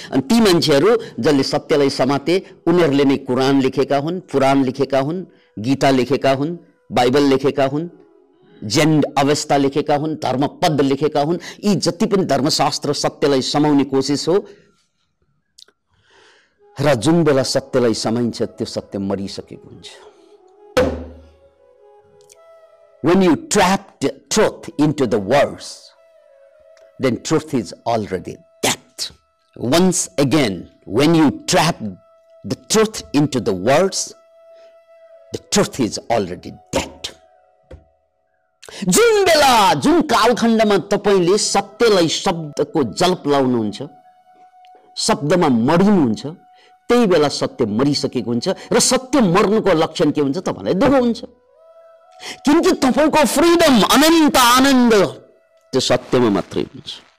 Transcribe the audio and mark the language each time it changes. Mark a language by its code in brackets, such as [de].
[ne] अनि ती मान्छेहरू जसले सत्यलाई समाते उनीहरूले नै कुरान लेखेका हुन्, पुराण लेखेका हुन्, गीता लेखेका हुन्, बाइबल लेखेका हुन्, जैन अवस्था लेखेका हुन्, धर्मपद लेखेका हुन्. यी जति पनि धर्मशास्त्र सत्यलाई समाउने कोसिस हो र जुन बेला सत्यलाई समाइन्छ त्यो सत्य मरिसकेको हुन्छ. [en] When you trap truth into the words, then truth is already death. Once again, when you trap the truth into the words, the truth is already death. [ne] जुन बेला जुन कालखण्डमा तपाईँले सत्यलाई शब्दको जलप लाउनुहुन्छ, शब्दमा मरिनुहुन्छ, त्यही बेला सत्य मरिसकेको हुन्छ. र सत्य मर्नुको लक्षण के हुन्छ तपाईँलाई दुःख हुन्छ, किनकि तपाईँको फ्रिडम अनन्त आनन्द त्यो सत्यमा मात्रै हुन्छ.